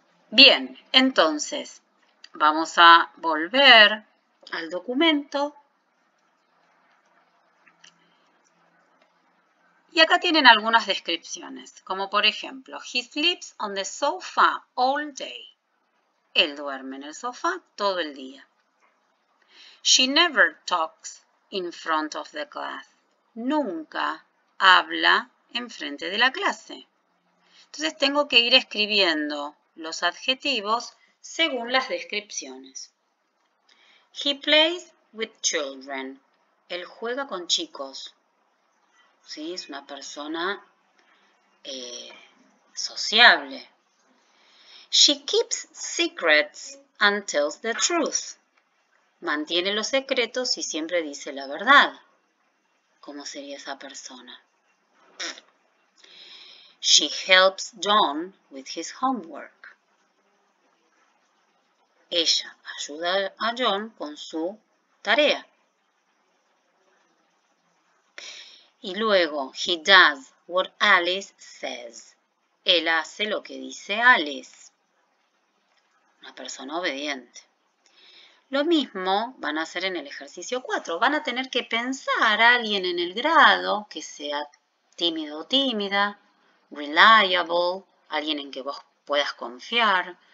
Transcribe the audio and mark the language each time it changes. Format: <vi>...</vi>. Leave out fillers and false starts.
<es>Bien, entonces, vamos a volver al documento. Y acá tienen algunas descripciones, como por ejemplo,</es> <en>he sleeps on the sofa all day.</en> <es>Él duerme en el sofá todo el día.</es> <en>She never talks in front of the class.</en> <es>Nunca habla en frente de la clase. Entonces tengo que ir escribiendo los adjetivos según las descripciones.</es> <en>He plays with children.</en> <es>Él juega con chicos. ¿Sí? Es una persona sociable.</es> <en>She keeps secrets and tells the truth.</en> <es>Mantiene los secretos y siempre dice la verdad. ¿Cómo sería esa persona?</es> <en>She helps John with his homework.</en> <es>Ella ayuda a John con su tarea. Y luego,</es> <en>he does what Alice says.</en> <es>Él hace lo que dice Alice. Una persona obediente. Lo mismo van a hacer en el ejercicio 4. Van a tener que pensar a alguien en el grado que sea tímido o tímida, reliable, alguien en que vos puedas confiar.</es>